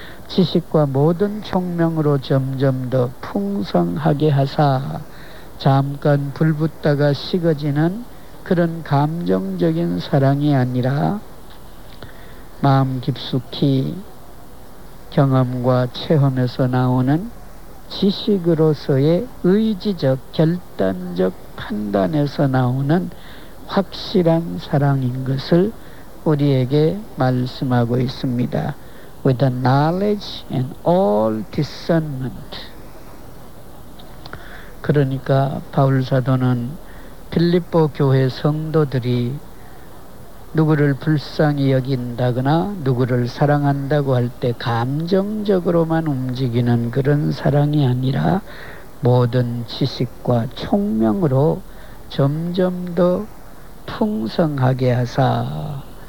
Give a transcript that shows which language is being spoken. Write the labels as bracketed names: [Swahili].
[Korean] 지식과 모든 총명으로 점점 더 풍성하게 하사, 잠깐 불 붙다가 식어지는 그런 감정적인 사랑이 아니라 마음 깊숙이 경험과 체험에서 나오는 지식으로서의 의지적, 결단적 판단에서 나오는 확실한 사랑인 것을 우리에게 말씀하고 있습니다. [English] With the knowledge and all discernment. [Korean] 그러니까 바울 사도는 빌립보 교회 성도들이 누구를 불쌍히 여긴다거나 누구를 사랑한다고 할 때 감정적으로만 움직이는 그런 사랑이 아니라 모든 지식과 총명으로 점점 더 풍성하게 하사